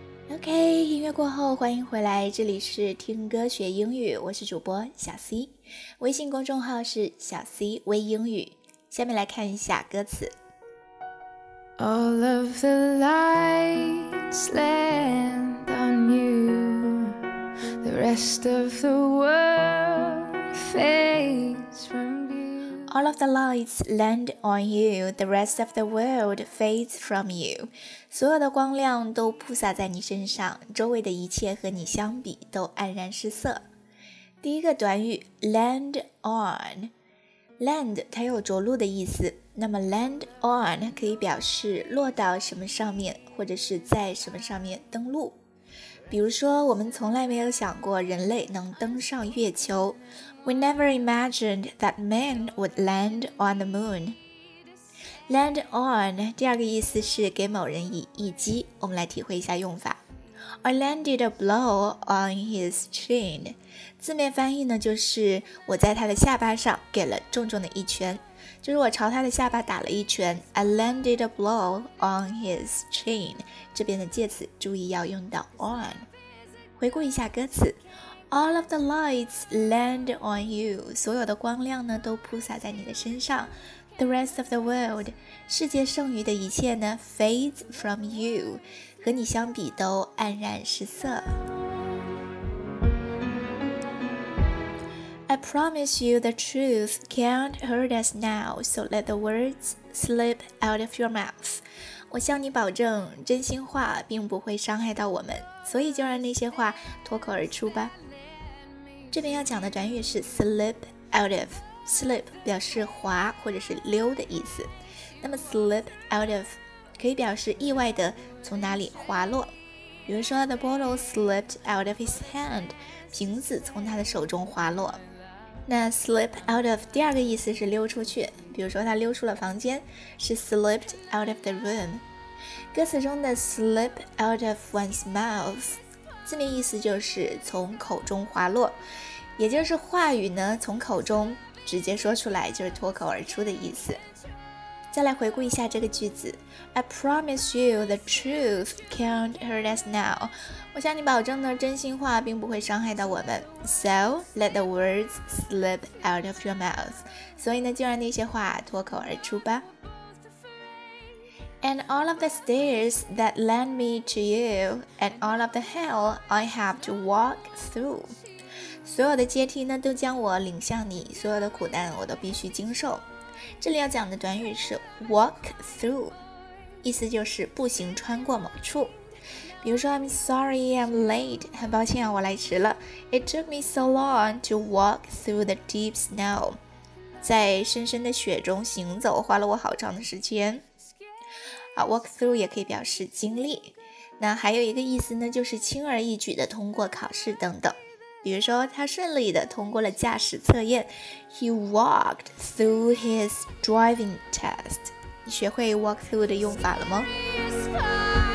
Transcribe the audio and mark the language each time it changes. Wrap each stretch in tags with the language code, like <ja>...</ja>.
<zh>OK， 音乐过后欢迎回来，这里是听歌学英语，我是主播小 C， 微信公众号是小 C 微英语。下面来看一下歌词。</zh> <en>All of the lights land on you, the rest of the world fades from you. All of the lights land on you, the rest of the world fades from you.</en> <zh>所有的光亮都铺洒在你身上，周围的一切和你相比都黯然失色。第一个短语 land on， land 它有着陆的意思，那么 land on 可以表示落到什么上面，或者是在什么上面登陆。比如说，我们从来没有想过人类能登上月球。</zh> <en>We never imagined that man would land on the moon.</en> <zh>Land on 第二个意思是给某人以一击，我们来体会一下用法。</zh> <en>I landed a blow on his chin，</en> <zh>字面翻译呢就是我在他的下巴上给了重重的一拳，就是我朝他的下巴打了一拳。</zh> <en>I landed a blow on his chin，</en> <zh>这边的介词注意要用到 on。回顾一下歌词，</zh> <en>All of the lights land on you，</en> <zh>所有的光亮呢都铺洒在你的身上。</zh> <en>The rest of the world，</en> <zh>世界剩余的一切呢</zh> <en>fades from you，</en> <zh>和你相比都黯然失色。</zh> <en>I promise you the truth can't hurt us now， so let the words slip out of your mouth，</en> <zh>我向你保证真心话并不会伤害到我们，所以就让那些话脱口而出吧。这边要讲的短语是 slip out of， slip 表示滑或者是溜的意思，那么 slip out of 可以表示意外的从哪里滑落，比如说</zh> <en>the bottle slipped out of his hand，</en> <zh>瓶子从他的手中滑落。那 slip out of 第二个意思是溜出去，比如说他溜出了房间是</zh> <en>slipped out of the room。</en> <zh>歌词中的 slip out of one's mouth字面意思就是从口中滑落，也就是话语呢从口中直接说出来，就是脱口而出的意思。再来回顾一下这个句子，</zh> <en>I promise you the truth can't hurt us now，</en> <zh>我向你保证呢真心话并不会伤害到我们，</zh> <en>So let the words slip out of your mouth，</en> <zh>所以呢就让那些话脱口而出吧。</zh> <en>And all of the stairs that led me to you, and all of the hell I have to walk through.</en> <zh>所有的阶梯呢都将我领向你，所有的苦难我都必须经受。这里要讲的短语是 walk through， 意思就是步行穿过某处。比如说</zh> <en>I'm sorry I'm late，</en> <zh>很抱歉啊我来迟了。</zh> <en>It took me so long to walk through the deep snow，</en> <zh>在深深的雪中行走花了我好长的时间。 Walk through 也可以表示经历，那还有一个意思呢就是轻而易举的通过考试等等，比如说他顺利的通过了驾驶测验，</zh> <en>He walked through his driving test。</en> <zh>你学会 walk through 的用法了吗？</zh>